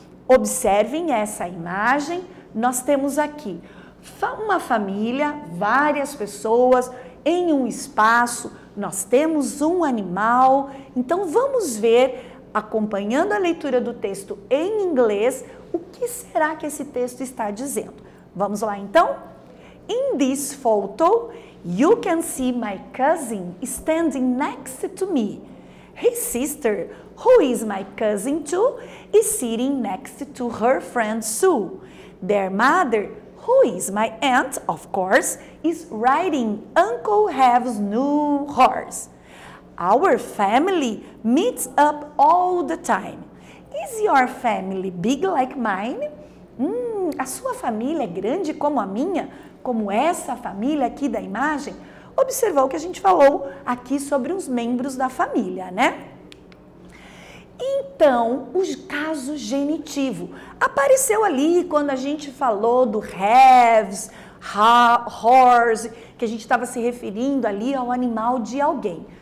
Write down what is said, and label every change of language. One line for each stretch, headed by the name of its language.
Portuguese: Observem essa imagem. Nós temos aqui uma família, várias pessoas em um espaço. Nós temos um animal. Então vamos ver, acompanhando a leitura do texto em inglês, o que será que esse texto está dizendo? Vamos lá, então?
English: In this photo, you can see my cousin standing next to me. His sister, who is my cousin too, is sitting next to her friend Sue. Their mother, who is my aunt, of course, is riding Uncle Hev's new horse. Our family meets up all the time. Is your family big like mine?
Portuguese: A sua família é grande como a minha? Como essa família aqui da imagem? Observou que a gente falou aqui sobre os membros da família, né? Então, o caso genitivo apareceu ali quando a gente falou do haves, horse, que a gente estava se referindo ali ao animal de alguém.